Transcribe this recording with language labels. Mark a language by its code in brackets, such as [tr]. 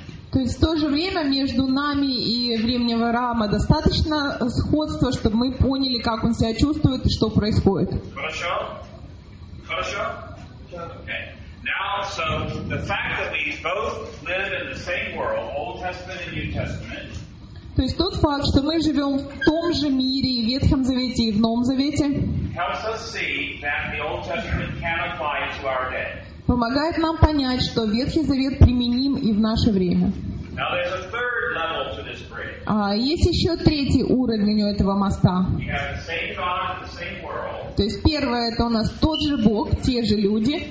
[ru] То есть в то же время между нами и временем Авраама достаточно сходства, чтобы мы поняли, как он себя чувствует и что происходит. Хорошо? Хорошо? [en] Now, so the fact that we both live in the same world, Old Testament and New Testament. [ru] То есть тот факт, что мы живем в том же мире, и в Ветхом Завете, и в Новом Завете, [en] helps us see that the Old Testament can apply to our day. [ru] Помогает нам понять, что Ветхий Завет применим и в наше время. [en] Now, there's a third level to this bridge. [ru] Есть еще третий уровень у этого моста. [en] You have the same God, the same world. [ru] То есть первое — это у нас тот же Бог, те же люди.